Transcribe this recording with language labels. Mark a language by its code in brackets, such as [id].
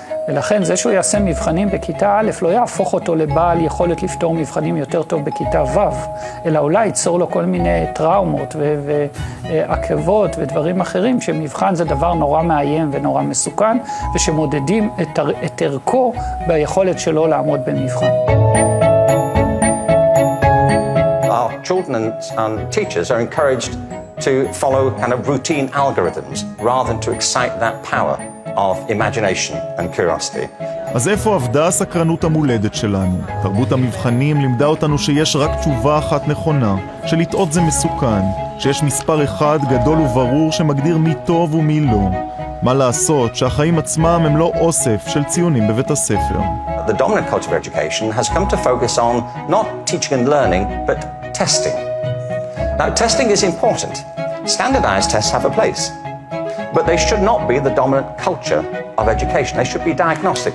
[he] ולכן זה שהוא יעשה מבחנים בכיתה א' לא יהפוך אותו לבעל יכולת לפתור מבחנים יותר טוב בכיתה ו', אלא אולי ייצור לו כל מיני טראומות ועקבות ודברים אחרים, שמבחן זה דבר נורא מאיים ונורא מסוכן, ושמודדים את ערכו ביכולת שלו לעמוד במבחן. [en] Children and teachers are encouraged to follow kind of routine algorithms rather than to excite that power of imagination and curiosity. [he] אז איפה עבדה הסקרנות המולדת שלנו? תרבות המבחנים לימדה אותנו שיש רק תשובה אחת נכונה, שלטעות זה מסוכן, שיש מספר אחד גדול וברור שמגדיר מי טוב ומי לא. מה לעשות שהחיים עצמם הם לא אוסף של ציונים בבית הספר? [en] The dominant culture of education has come to focus on not teaching and learning but testing. Now testing is important. Standardized tests have a place. But they should not be the dominant culture of education. They should be diagnostic.